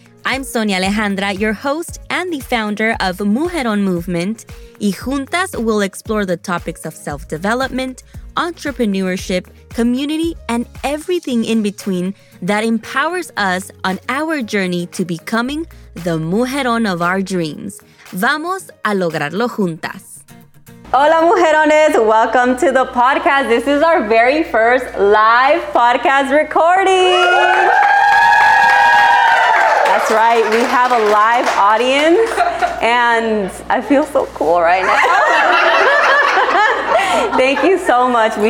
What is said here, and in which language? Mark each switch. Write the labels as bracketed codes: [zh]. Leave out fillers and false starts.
[en] I'm Sonia Alejandra, your host and the founder of Mujeron Movement, [es] y juntas [en] we'll explore the topics of self-development, entrepreneurship, community, and everything in between that empowers us on our journey to becoming the Mujeron of our dreams. [es] Vamos a lograrlo juntas. Hola, Mujerones. [en] Welcome to the podcast. This is our very first live podcast recording. That's right. We have a live audience and I feel so cool right now. Thank you so much.